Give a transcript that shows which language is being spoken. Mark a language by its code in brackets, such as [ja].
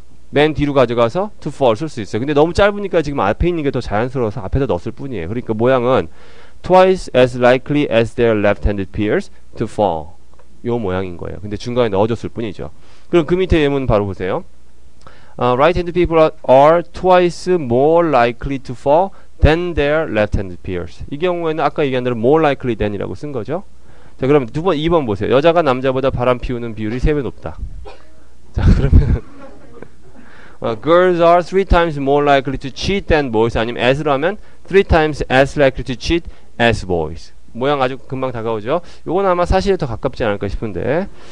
[ko] 맨 뒤로 가져가서 [en] to fall [ko] 쓸 수 있어요. 근데 너무 짧으니까 지금 앞에 있는 게 더 자연스러워서 앞에다 넣었을 뿐이에요. 그러니까 모양은 [en] twice as likely as their left-handed peers to fall [ko] 요 모양인 거예요. 근데 중간에 넣어줬을 뿐이죠. 그럼 그 밑에 예문 바로 보세요. [en] Right-handed people are twice more likely to fall than their left-handed peers. [ko] 이 경우에는 아까 얘기한 대로 [en] more likely than [ko] 이라고 쓴 거죠. 자, 그럼 두 번, 2번 보세요. 여자가 남자보다 바람 피우는 비율이 3배 높다. 자, 그러면 [en] girls are three times more likely to cheat than boys. [ko] 아니면 as로 하면 [en] three times as likely to cheat as boys. [ko] 모양 아주 금방 다가오죠. 요건 아마 사실에 더 가깝지 않을까 싶은데.